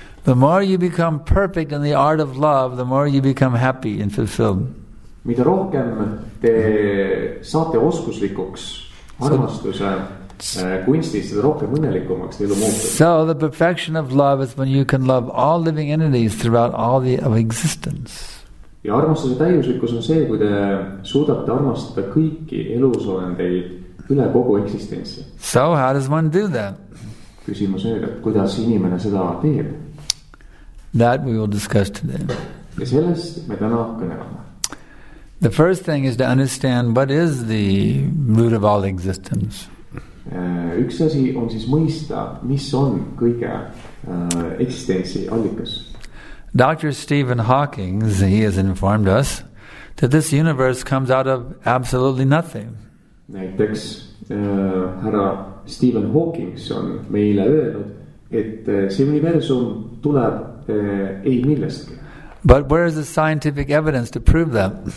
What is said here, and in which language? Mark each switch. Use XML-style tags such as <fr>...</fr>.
<en>The more you become perfect in the art of love, the more you become happy and fulfilled.</en> <et>Mida rohkem te saate oskuslikuks armastuse kunstis, seda rohkem õnnelikumaks teile muutub.</et> <en>So the perfection of love is when you can love all living entities throughout all the of existence.</en> <et>Ja armastuse täiuslikkus on see, kui te suudate armastada kõiki elusolendeid üle kogu eksistentsi.</et> <en>So how does one do that?</en> <et>Küsimus on, et kuidas inimene seda teeb?</et> <en>That we will discuss today.</en> <et>Ja sellest me täna kõneleme.</et> <en>The first thing is to understand what is the root of all existence.</en> <et>Üks asi on siis mõista, mis on kõige eksistentsi allikas.</et> <en>Dr. Stephen Hawking, he has informed us that this universe comes out of absolutely nothing.</en> <et>Näiteks härra Stephen Hawking on meile öelnud, et see universum tuleb ei millestki.</et> <en>But where is the scientific evidence to prove that?</en>